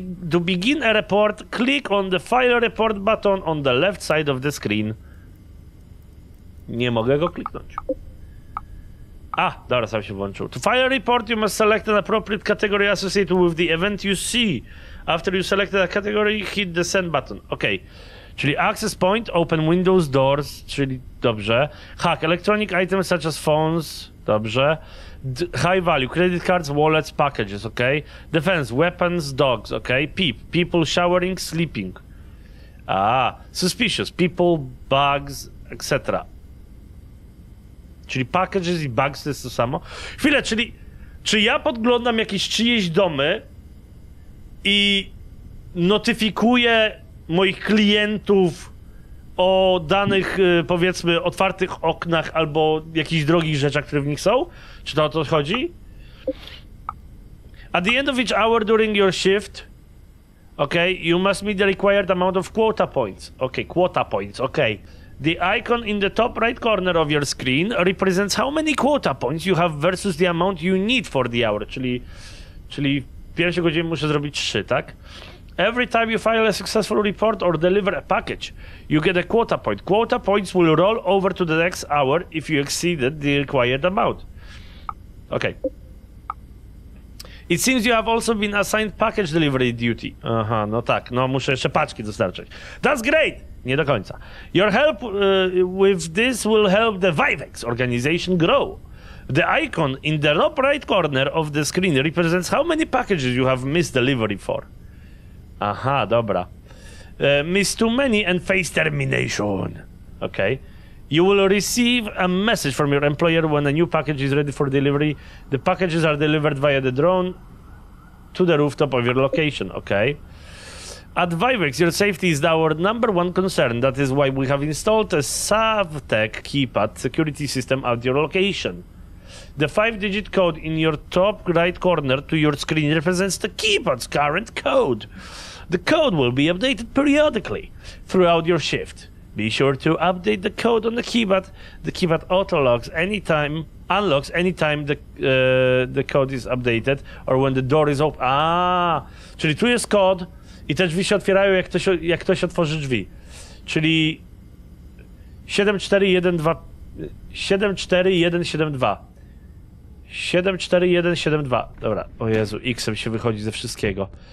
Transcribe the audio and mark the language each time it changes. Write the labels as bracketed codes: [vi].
[en] To begin a report, click on the file report button on the left side of the screen. [pl] Nie mogę go kliknąć. A, dobra, sam się włączył. [en] To file a report, you must select an appropriate category associated with the event you see. After you select a category, hit the send button. Ok. Czyli access point, open windows, doors, [pl] czyli dobrze. [en] Hack, electronic items such as phones, dobrze. High value, credit cards, wallets, packages, ok. Defense, weapons, dogs, ok. Peep, people showering, sleeping. A, suspicious, people, bugs, etc. [pl] Czyli packages i bugs to jest to samo. Chwilę, czyli czy ja podglądam jakieś czyjeś domy i notyfikuję moich klientów o danych, powiedzmy, otwartych oknach albo jakichś drogich rzeczach, które w nich są? Czy to o to chodzi? [en] At the end of each hour during your shift, okay, you must meet the required amount of quota points. Okay, quota points, okay. The icon in the top right corner of your screen represents how many quota points you have versus the amount you need for the hour. [pl] Czyli w pierwszej godzinie muszę zrobić 3, tak? [en] Every time you file a successful report or deliver a package, you get a quota point. Quota points will roll over to the next hour if you exceeded the required amount. Okay. It seems you have also been assigned package delivery duty. [pl] Aha, no tak, no muszę jeszcze paczki dostarczyć. [en] That's great! [pl] Nie do końca. [en] Your help with this will help the Vivex organization grow. The icon in the top right corner of the screen represents how many packages you have missed delivery for. [pl] Aha, dobra. [en] Missed too many and face termination. Okay. You will receive a message from your employer when a new package is ready for delivery. The packages are delivered via the drone to the rooftop of your location. Okay. At Vivex, your safety is our number one concern. That is why we have installed a SavTech keypad security system at your location. The five-digit code in your top right corner to your screen represents the keypad's current code. The code will be updated periodically throughout your shift. Be sure to update the code on the keypad. The keypad auto-locks anytime, unlocks anytime the code is updated or when the door is open. [pl] Czyli tu jest kod i te drzwi się otwierają, jak ktoś otworzy drzwi. Czyli 74172. 74172. Dobra, o Jezu, X-em się wychodzi ze wszystkiego.